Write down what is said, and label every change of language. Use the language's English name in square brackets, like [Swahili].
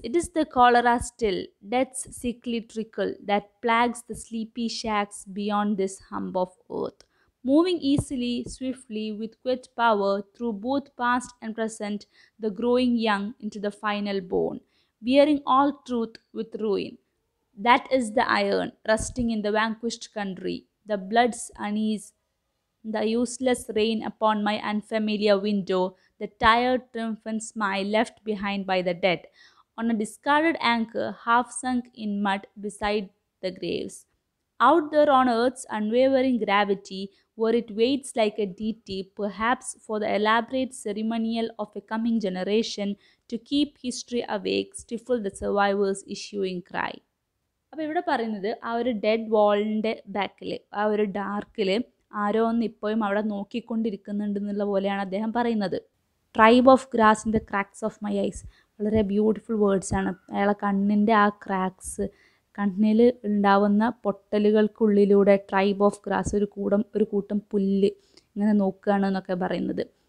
[English] It is the cholera still, death's sickly trickle that plagues the sleepy shacks beyond this hump of earth. Moving easily, swiftly, with quiet power through both past and present, the growing young into the final bone, bearing all truth with ruin. That is the iron rusting in the vanquished country, the blood's unease, the useless rain upon my unfamiliar window, the tired triumphant smile left behind by the dead, on a discarded anchor half sunk in mud beside the graves. Out there on earth's unwavering gravity, where it waits like a deity, perhaps for the elaborate ceremonial of a coming generation to keep history awake, stifle the survivor's issuing cry. [Malayalam] അപ്പോൾ ഇവിടെ പറയുന്നത് ആ ഒരു dead വാളിൻ്റെ ബാക്കിൽ, ആ ഒരു ഡാർക്കിൽ ആരോ ഒന്ന് ഇപ്പോഴും അവിടെ നോക്കിക്കൊണ്ടിരിക്കുന്നുണ്ട് എന്നുള്ള പോലെയാണ് അദ്ദേഹം പറയുന്നത്. [English] tribe of grass in the cracks of my eyes, [Malayalam] വളരെ ബ്യൂട്ടിഫുൾ വേർഡ്സാണ്. അയാളെ കണ്ണിൻ്റെ ആ ക്രാക്സ്, കണ്ണിൽ ഉണ്ടാവുന്ന പൊട്ടലുകൾക്കുള്ളിലൂടെ ട്രൈബ് ഓഫ് ഗ്രാസ്, ഒരു കൂട്ടം പുല്ല് ഇങ്ങനെ നോക്കുകയാണ് എന്നൊക്കെ പറയുന്നത്.